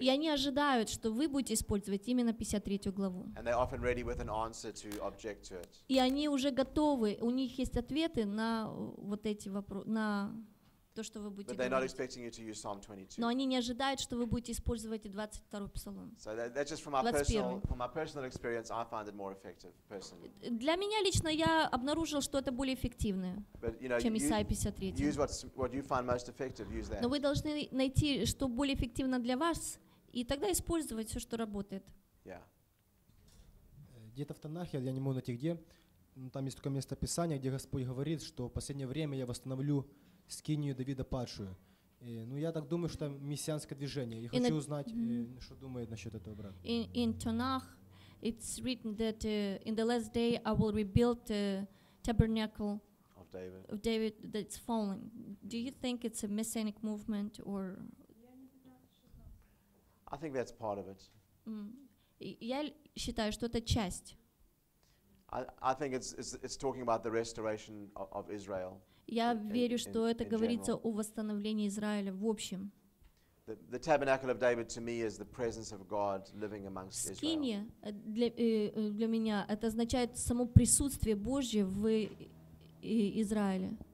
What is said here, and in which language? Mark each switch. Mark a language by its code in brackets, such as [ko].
[ru] И они ожидают, что вы будете использовать именно 53 главу. [en] And they're often ready with an answer to object to it. [ru] И они уже готовы, у них есть ответы на вот эти вопросы, на то, что вы будете. [en] But they're not expecting you to use Psalm 22. [ru] Но они не ожидают, что вы будете использовать 22 псалом. [en] So that's just from my personal experience, I find it more effective personally. [ru] Для меня лично я обнаружил, что это более эффективное, чем Исаия 53. [en] Use what you find most effective. Use that. [ru] Но вы должны найти, что более эффективно для вас, и тогда использовать все, что работает. [en] Yeah. [ru] Где-то в Танахе, я не могу найти где, но там есть такое место Писания, где Господь говорит, что в последнее время я восстановлю скинию Давида падшую. Ну, я так думаю, что это мессианское движение. Я хочу узнать, что думает насчет этого брат. [en] In Tanakh, it's written that in the last day I will rebuild the tabernacle of David. Of David that's fallen. Do you think it's a messianic movement or? I think that's part of it. [ru] Я считаю, что это часть. [en] I think it's talking about the restoration of Israel. [ru] Я верю, что это говорится о восстановлении Израиля в общем. [en] The tabernacle of David to me is the presence of God living amongst Israel. [ru] Скиния для меня это означает само присутствие Божье в Израиле.